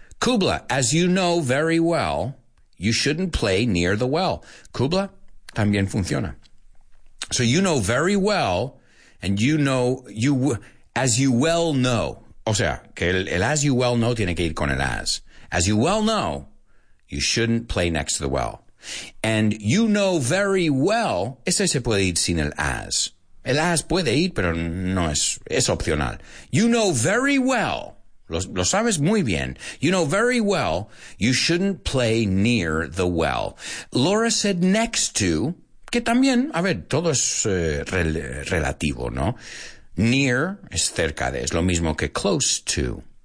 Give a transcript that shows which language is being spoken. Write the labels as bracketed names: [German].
[English] Kubla, as you know very well. You shouldn't play near the well. Kubla, [Spanish] también funciona. [English] So you know very well And you know, you as you well know. [Spanish] O sea, que el [English] as you well know [Spanish] tiene que ir con el as. [English] As you well know, you shouldn't play next to the well. And you know very well, [Spanish] ese se puede ir sin el as. El as puede ir, pero no es, es opcional. [English] You know very well, [Spanish] lo sabes muy bien. [English] You know very well, you shouldn't play near the well. [Spanish] Laura [English] said next to, [Spanish] que también, a ver, todo es relativo, ¿no? Near es cerca de, es lo mismo que close to.